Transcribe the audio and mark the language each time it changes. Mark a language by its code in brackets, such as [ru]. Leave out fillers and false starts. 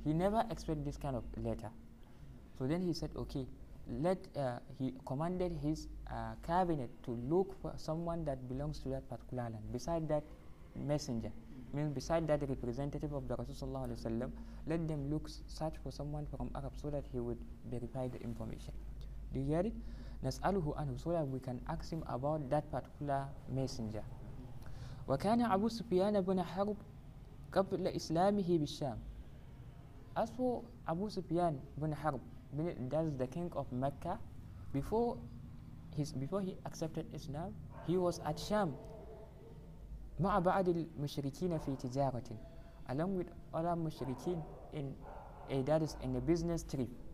[en] He never expected this kind of letter. So then he said, okay, he commanded his cabinet to look for someone that belongs to that particular land, beside that messenger, meaning beside that representative of the Rasul sallallahu alayhi wa sallam, let them look, search for someone from Arab so that he would verify the information. Do you hear it? [ar] نسأله عنه, [en] so that we can ask him about that particular messenger. [ar] وكان أبو سفيان بن حرب قبل إسلامه بالشام. [en] As for Abu Sufyan bin Harb, that is the king of Mecca, before he accepted Islam, he was at Sham. [ar] مع بعض المشركين في تجارة, [en] along with other مشركين in a business trip.